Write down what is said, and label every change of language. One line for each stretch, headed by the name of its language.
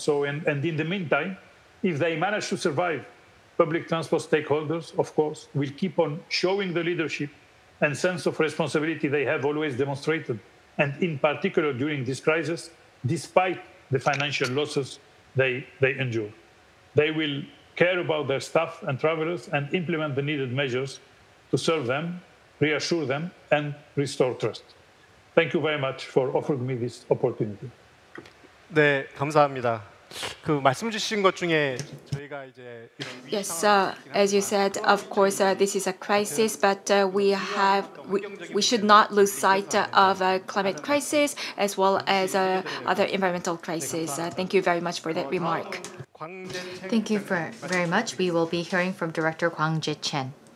English: So, and in the meantime, if they manage to survive, public transport stakeholders, of course, will keep on showing the leadership and sense of responsibility they have always demonstrated, and in particular during this crisis, despite the financial losses they endure. They will care about their staff and travelers and implement the needed measures to serve them, reassure them, and restore trust. Thank you very much for offering me this opportunity.
Korean: 네, 감사합니다. 그 말씀 주신 것 중에 저희가 이제
English: Yes, sir. As you said, of course, this is a crisis, but we should not lose sight of a climate crisis as well as other environmental crises. Thank you very much for that remark. Thank you very much. We will be hearing from Director Hwang Jae-chen.